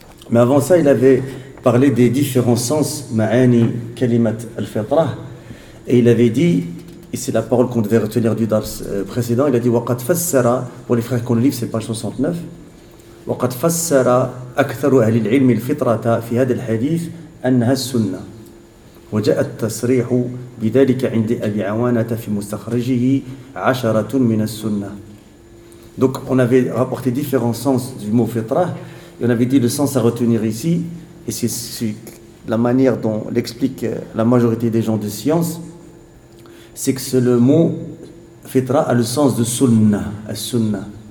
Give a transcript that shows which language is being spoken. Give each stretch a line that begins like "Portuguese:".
French: Mais avant ça, il avait parlé des différents sens, ma'ani, kalimat, al-fitrah, et il avait dit, et c'est la parole qu'on devait retenir du dars précédent, il a dit,
Arabic: waqad fassara, pour les frères qui ont le livre, c'est page 69, waqad fassara aktharu ahli al-ilm al-fitrata fi hadha al-hadith anha sunnah. وجاء التصريح بذلك عند أبي عوانة في مستخرجه عشرة من السنة.
French: Donc on avait rapporté différents sens du mot fitra, et on avait dit le sens à retenir ici, et c'est la manière dont l'explique la majorité des gens de science, c'est que le mot fitra a le sens de sunna, as-sunna.